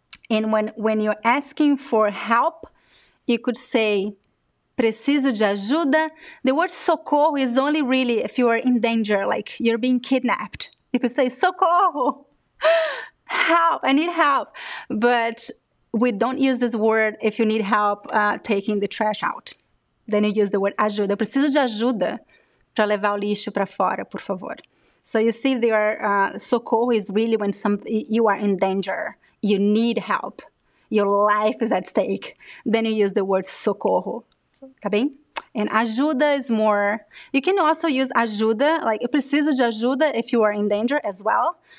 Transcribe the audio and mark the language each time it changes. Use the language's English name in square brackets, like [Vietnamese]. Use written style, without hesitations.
[English] And when you're asking for help, you could say [Portuguese] preciso de ajuda. [English] The word socorro is only really if you are in danger, like you're being kidnapped. You could say socorro. Help, I need help. But we don't use this word if you need help taking the trash out. Then you use the word ajuda. [Portuguese] Preciso de ajuda para levar o lixo para fora, por favor. [English] So you see there, socorro is really when you are in danger. You need help. Your life is at stake. Then you use the word socorro. [Portuguese] Tá bem? [English] And ajuda is more. You can also use ajuda, like [Portuguese] eu preciso de ajuda [English] if you are in danger as well.